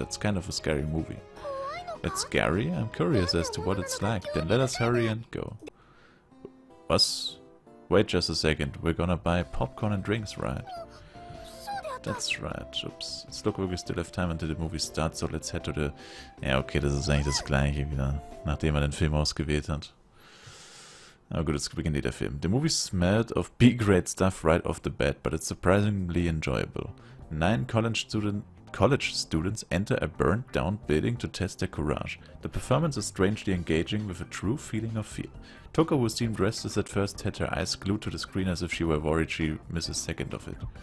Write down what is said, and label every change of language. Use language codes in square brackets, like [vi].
[en] It's kind of a scary movie. It's scary? I'm curious as to what it's like. Then let us hurry and go. Was? Wait just a second. We're gonna buy popcorn and drinks, right? That's right. Oops. It's look like we still have time until the movie starts, so let's head to the... [de] Ja, okay, das ist eigentlich das Gleiche wieder, nachdem er den Film ausgewählt hat. Aber gut, jetzt beginnt der Film. [en] The movie smelled of B-grade stuff right off the bat, but it's surprisingly enjoyable. 9 college students enter a burnt-down building to test their courage. The performance is strangely engaging with a true feeling of fear. Toka, who seemed restless at first, had her eyes glued to the screen as if she were worried she'd miss a second of it.